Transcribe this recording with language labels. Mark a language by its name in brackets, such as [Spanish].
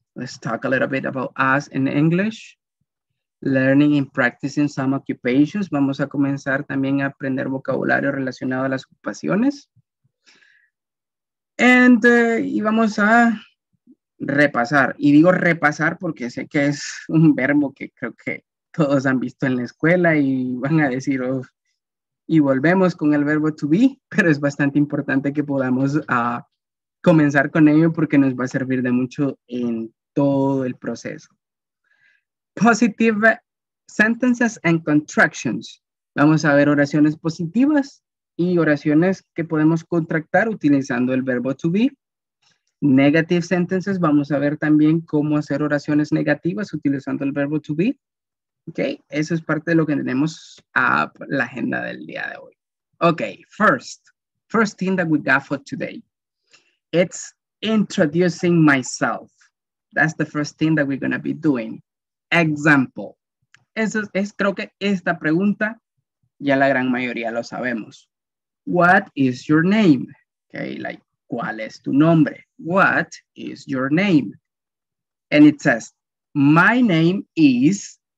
[English] Let's talk a little bit about us in English. Learning and practicing some occupations. [Spanish] Vamos a comenzar también a aprender vocabulario relacionado a las ocupaciones. [English] And [Spanish] y vamos a repasar. Y digo repasar porque sé que es un verbo que creo que todos han visto en la escuela y van a decir, uf, y volvemos con el verbo to be, pero es bastante importante que podamos comenzar con ello porque nos va a servir de mucho en todo el proceso. [English] Positive sentences and contractions. [Spanish] Vamos a ver oraciones positivas y oraciones que podemos contractar utilizando el verbo to be. [English] Negative sentences. [Spanish] Vamos a ver también cómo hacer oraciones negativas utilizando el verbo to be. Ok, eso es parte de lo que tenemos a la agenda del día de hoy. [English] Ok, first thing that we got for today, it's introducing myself. That's the first thing that we're going to be doing. Example. [Spanish] Eso es, creo que esta pregunta ya la gran mayoría lo sabemos. [English] What is your name? Ok, like, [Spanish] ¿cuál es tu nombre? [English] What is your name? And it says, my name is...